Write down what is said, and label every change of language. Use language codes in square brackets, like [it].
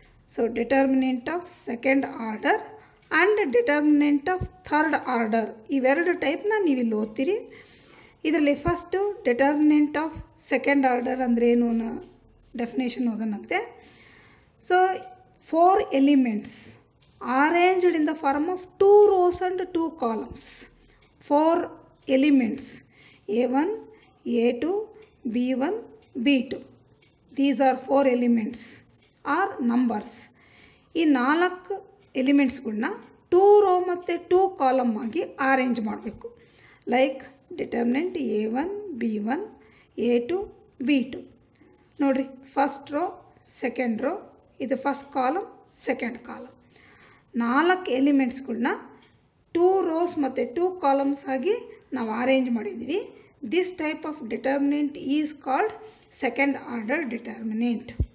[en] so determinant of second order and determinant of third order, [kn] ಇವೆರಡು ಟೈಪ್ನ ನೀವು ಇಲ್ಲಿ ಓದ್ತೀರಿ. ಇದರಲ್ಲಿ first determinant of second order ಅಂದರೆ ಏನು ಅನ್ನೋ definition ಓದೋಣಂತೆ. [en] So four elements arranged in the form of two rows and two columns. Four elements A1, A2, B1, B2. These are four elements are numbers. [kn] ಈ ನಾಲ್ಕು ಎಲಿಮೆಂಟ್ಸ್ಗಳನ್ನ two rho ಮತ್ತು two column ಆಗಿ arrange ಮಾಡಬೇಕು. [en] Like determinant A1, B1, A2, B2. [kn] ನೋಡ್ರಿ, first row, second row, ಇದು first column, second column. ನಾಲ್ಕು ಎಲಿಮೆಂಟ್ಸ್ಗಳನ್ನ two rose ಮತ್ತು two columns ಆಗಿ ನಾವು ಅರೇಂಜ್ ಮಾಡಿದ್ದೀವಿ. [en] This type of determinant is called second order determinant.